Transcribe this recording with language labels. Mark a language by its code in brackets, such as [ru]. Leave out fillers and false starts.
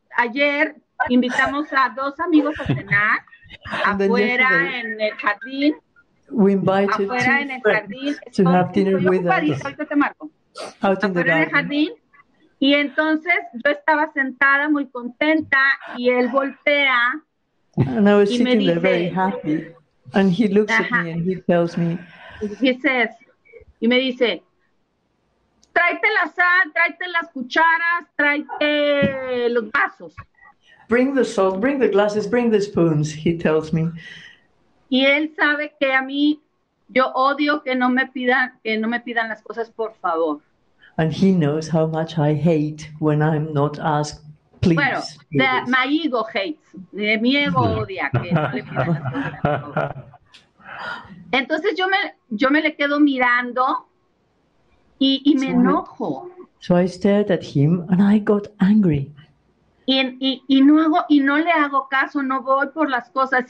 [es] Ayer invitamos a dos amigos a cenar afuera en el jardín. [en] We invited afuera two [es] en el jardín [en] to have dinner with us. Out in the garden. [es] En el jardín. Y entonces yo estaba sentada muy contenta y él voltea. [en] And I was sitting there very happy. And he looks at me and he tells me. [es] Y me dice, tráete la sal, tráete las cucharas, tráete los vasos. [en] Bring the salt, bring the glasses, bring the spoons, he tells me. [es] Y él sabe que a mí, yo odio que no me pidan las cosas por favor. [en] And he knows how much I hate when I'm not asked, please. [es] Bueno, [en] my ego hates, [es] mi ego odia que no le pidan las cosas por favor. Entonces yo me le quedo mirando. Y me enojo. [en] So I stared at him and I got angry. [es] Y no le hago caso, no voy por las cosas.